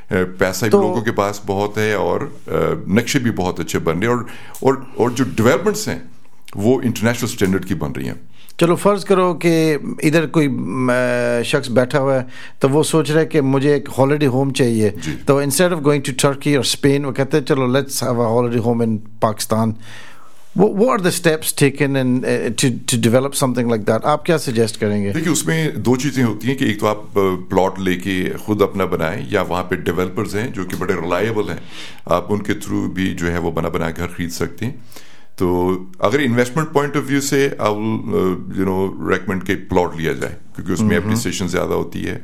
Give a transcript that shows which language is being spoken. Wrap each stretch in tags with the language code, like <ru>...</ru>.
<hi>पैसा भी लोगों के पास बहुत है और नक्शे भी बहुत अच्छे बन रहे हैं और जो डेवलपमेंट्स हैं वो इंटरनेशनल स्टैंडर्ड की बन रही हैं. चलो फ़र्ज़ करो कि इधर कोई शख्स बैठा हुआ है तो वो सोच रहा है कि मुझे एक हॉलीडे होम चाहिए जी.</hi> <en>तो instead of going to Turkey और Spain</en> <hi>वो कहते हैं चलो</hi> <en>Let's have a holiday home in Pakistan. What are the steps taken in to develop something like that?</en> <hi>आप क्या suggest करेंगे? देखिए उसमें दो चीज़ें होती हैं कि एक तो आप प्लॉट लेके खुद अपना बनाएं या वहाँ पे डेवलपर्स हैं जो कि बड़े रिलायबल हैं आप उनके थ्रू भी जो है वो बना बना घर खरीद सकते हैं. तो अगर इन्वेस्टमेंट पॉइंट ऑफ व्यू से</hi> <en>I will you know recommend</en> <hi>के प्लॉट लिया जाए क्योंकि उसमें एप्रिसिएशन ज़्यादा होती है.</hi>